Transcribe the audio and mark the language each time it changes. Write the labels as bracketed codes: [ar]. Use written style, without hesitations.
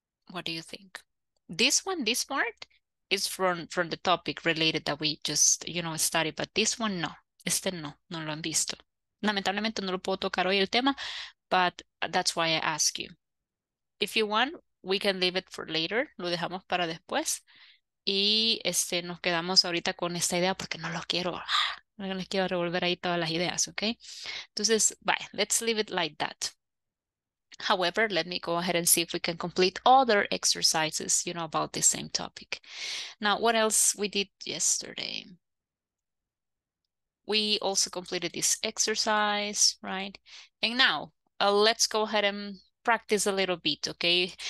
[en] What do you think? This one, this part, is from the topic related that we just, you know, studied, but this one, no. [es] Este no, no lo han visto. Lamentablemente no lo puedo tocar hoy el tema, [en] but that's why I ask you. If you want, we can leave it for later. [es] Lo dejamos para después. Y este, nos quedamos ahorita con esta idea porque no lo quiero. No les quiero revolver ahí todas las ideas, ¿ok? [en] Entonces, bye. Let's leave it like that. However, let me go ahead and see if we can complete other exercises, you know, about the same topic. Now, what else we did yesterday? We also completed this exercise, right? And now let's go ahead and practice a little bit, okay?